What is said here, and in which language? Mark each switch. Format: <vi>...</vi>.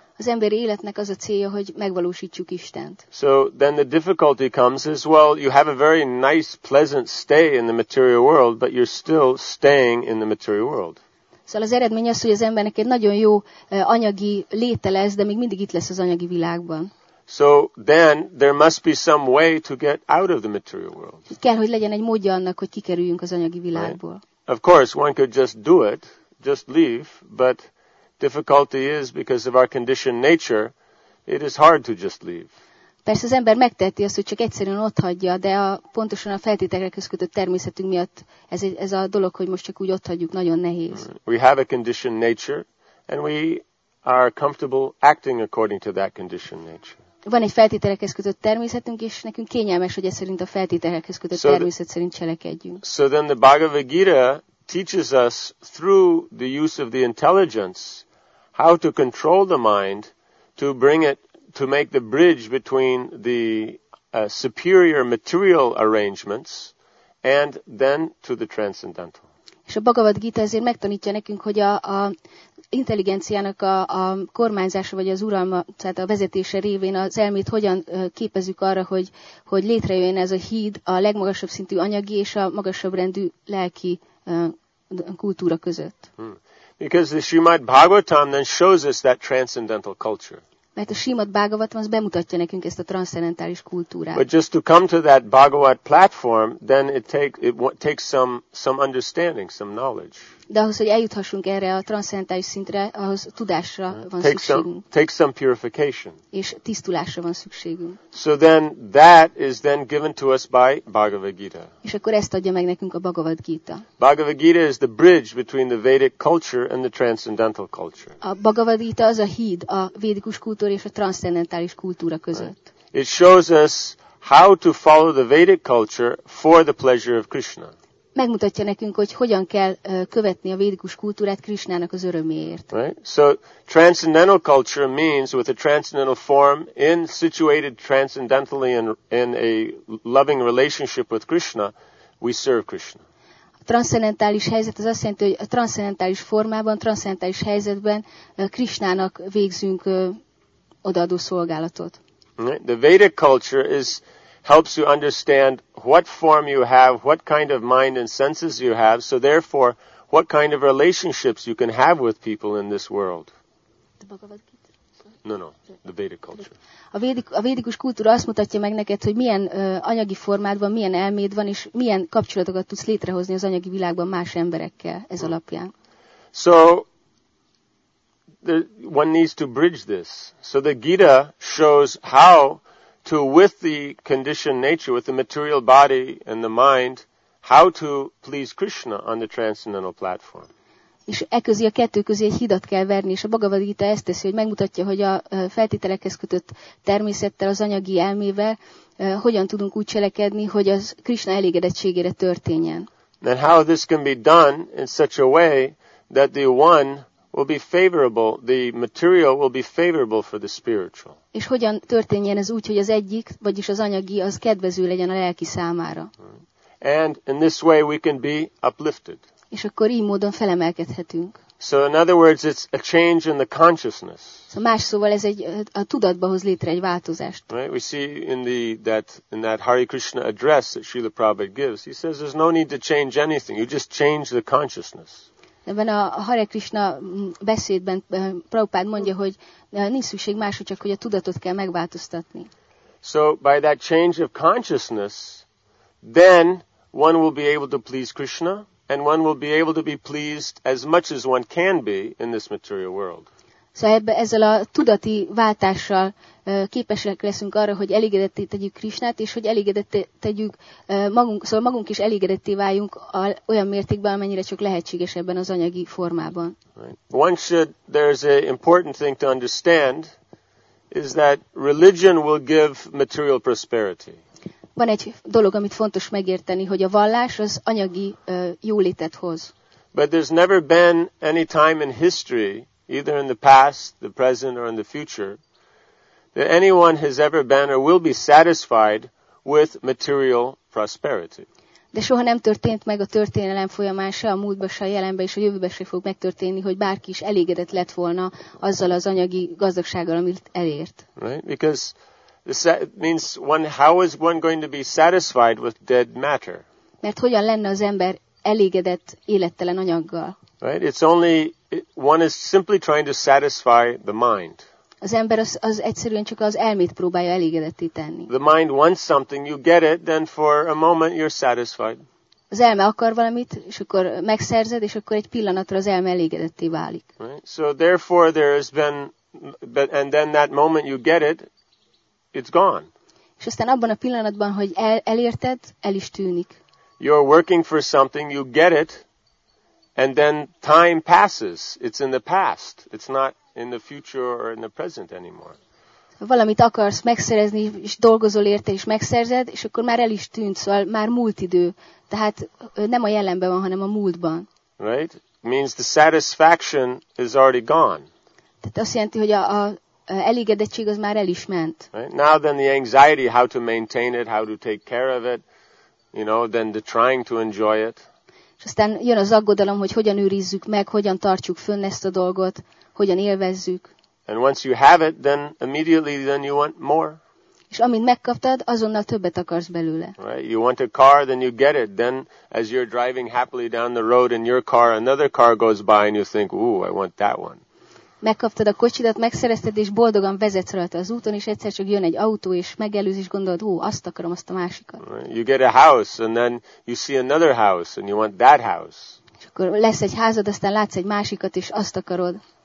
<hu>Az emberi életnek az a célja, hogy megvalósítsuk Istent.</hu> <en>So then the difficulty comes is, well, you have a very nice, pleasant stay in the material world, but you're still staying in the material world.</en> <hu>Szóval az eredmény az, hogy az embernek egy nagyon jó anyagi léte lesz, de még mindig itt lesz az anyagi világban.</hu> <en>So then there must be some way to get out of the material world.</en> <hu>Kell, hogy legyen egy módja annak, hogy kikerüljünk az anyagi világból.</hu> <en>Right? Of course, one could just do it, just leave, but difficulty is, because of our conditioned nature, it is hard to just leave.</en> <hu>Persze az ember megteheti azt, hogy csak egyszerűen ott hagyja, de pontosan a feltételekre kötött természetünk miatt ez a dolog, hogy most csak úgy ott hagyjuk, nagyon nehéz.</hu> <en>We have a conditioned nature, and we are comfortable acting according to that conditioned nature.</en> <hu>Van egy feltételekhez kötött természetünk, és nekünk kényelmes, hogy ez szerint a feltételekhez kötött természet szerint cselekedjünk.</hu> <en>So then the Bhagavad Gita teaches us through the use of the intelligence how to control the mind to bring it to make the bridge between the superior material arrangements and then to the transcendental.</en> <hu>És a Bhagavad Gita ezért megtanítja nekünk, hogy a intelligenciának a kormányzása, vagy az uralma, tehát a vezetése révén az elmét hogyan képezzük arra, hogy létrejöjjön ez a híd a legmagasabb szintű anyagi és a magasabb rendű lelki kultúra között.</hu> <en>Because the Srimad Bhagavatam then shows us that transcendental culture.</en> <hu>Mert a Srimad Bhagavatam az bemutatja nekünk ezt a transzcendentális kultúrát.</hu> <en>But just to come to that Bhagavat platform, then it takes some understanding, some knowledge.</en> <hu>De ahhoz, hogy eljuthassunk erre a transzcendentális szintre, ahhoz tudásra van szükségünk.</hu> <en>Take some purification.</en> <hu>És tisztulásra van szükségünk.</hu> <en>So then that is then given to us by Bhagavad Gita.</en> <hu>És akkor ezt adja meg nekünk a Bhagavad Gita.</hu> <en>Bhagavad Gita is the bridge between the Vedic culture and the transcendental culture.</en> <hu>A Bhagavad Gita az a híd a védikus kultúra és a transzcendentális kultúra között.</hu> <en>Right. It shows us how to follow the Vedic culture for the pleasure of Krishna.</en> <hu>Megmutatja nekünk, hogy hogyan kell követni a védikus kultúrát Krishnának az öröméért.</hu> <en>Right? So transcendental culture means with a transcendental form in situated transcendentally in a loving relationship with Krishna, we serve Krishna.</en> <hu>A transzcendentális helyzet az azt jelenti, hogy a transzcendentális formában, transzcendentális helyzetben Krishnának végzünk odaadó szolgálatot.</hu> <en>Right? The Vedic culture is helps you understand what form you have, what kind of mind and senses you have, so therefore, what kind of relationships you can have with people in this world. The Vedic culture.</en> <hu>A védikus kultúra azt mutatja meg neked, hogy milyen anyagi formád van, milyen elméd van, és milyen kapcsolatokat tudsz létrehozni az anyagi világban más emberekkel ez alapján.</hu> <en>So, one needs to bridge this. So the Gita shows how to, with the conditioned nature, with the material body and the mind, how to please Krishna on the transcendental platform.</en> <hu>És e közé, a kettő közé egy hidat kell verni, és a Bhagavad Gita ezt teszi, hogy megmutatja, hogy a feltételekhez kötött természettel, az anyagi elmével hogyan tudunk úgy cselekedni, hogy az Krishna elégedettségére történjen.</hu> <en>And how this can be done in such a way that the one will be favorable, the material will be favorable for the spiritual.</en> <hu>És hogyan történjen ez úgy, hogy az egyik, vagyis az anyagi, az kedvező legyen a lelki számára.</hu> <en>And in this way we can be uplifted.</en> <hu>És akkor így módon felemelkedhetünk.</hu> <en>So in other words, it's a change in the consciousness.</en> <hu>Szóval más szóval ez egy a tudatba hoz létre egy változást.</hu> <en>Right? We see in that Hare Krishna address that Srila Prabhupada gives, he says there's no need to change anything, you just change the consciousness.</en> <hu>Ebben a Hare Krishna beszédben Prabhupád mondja, hogy nincs szükség másra, csak hogy a tudatot kell megváltoztatni.</hu> <en>So by that change of consciousness, then one will be able to please Krishna, and one will be able to be pleased as much as one can be in this material world.</en> <hu>Szóval ezzel a tudati váltással képesek leszünk arra, hogy elégedetté tegyük Krishnát, és hogy elégedetté tegyük magunk, szóval magunk is elégedetté váljunk olyan mértékben, amennyire csak lehetséges ebben az anyagi formában.</hu> <en>Right. One should, there's an important thing to understand, is that religion will give material prosperity.</en> <hu>Van egy dolog, amit fontos megérteni, hogy a vallás az anyagi jólétet hoz.</hu> <en>But there's never been any time in history, either in the past, the present, or in the future, that anyone has ever been or will be satisfied with material prosperity.</en> <hu>De soha nem történt meg a történelem folyamán, se a múltban, se a jelenben, és a jövőben se fog megtörténni, hogy bárki is elégedett lett volna azzal az anyagi gazdagsággal, amit elért.</hu> <en>Right? Because this means one, how is one going to be satisfied with dead matter?</en> <hu>Mert hogyan lenne az ember elégedett élettelen anyaggal?</hu> <en>Right? It's only, one is simply trying to satisfy the mind.</en> <hu>Az ember az egyszerűen csak az elmét próbálja elégedetté tenni.</hu> <en>The mind wants something, you get it, then for a moment you're satisfied.</en> <hu>Az elme akar valamit, és akkor megszerzed, és akkor egy pillanatra az elme elégedetté válik.</hu> <en>Right? So therefore there has been, and then that moment you get it, it's gone.</en> <hu>És aztán abban a pillanatban, hogy elérted, el is tűnik.</hu> <en>You're working for something, you get it, and then time passes. It's in the past. It's not in the future or in the present anymore.</en> <hu>Valamit akarsz megszerezni, és dolgozol érte, és megszerzed, és akkor már el is tűnt, szóval már múlt idő. Tehát nem a jelenben van, hanem a múltban.</hu> <en>Right? Means the satisfaction is already gone.</en> <hu>Tehát azt jelenti, hogy a elégedettség az már el is ment.</hu> <en>Right? Now then the anxiety, how to maintain it, how to take care of it, you know, then the trying to enjoy it.</en> <hu>És aztán jön az aggodalom, hogy hogyan őrizzük meg, hogyan tartsuk fönn ezt a dolgot, hogyan élvezzük.</hu> <en>And once you have it, then immediately then you want more.</en> <hu>És amint megkaptad, azonnal többet akarsz belőle.</hu> <en>Right? You want a car, then you get it. Then, as you're driving happily down the road in your car, another car goes by and you think, ooh, I want that one.</en> <hu>Megkaptad a kocsidat, megszerezted, és boldogan vezetsz rajta az úton, és egyszer csak jön egy autó, és megelőz, és gondolod, ó, azt akarom, azt a másikat.</hu> <en>You get a house, and then you see another house, and you want that house.</en> <hu>És akkor lesz egy házad, aztán látsz egy másikat, és azt akarod.</hu>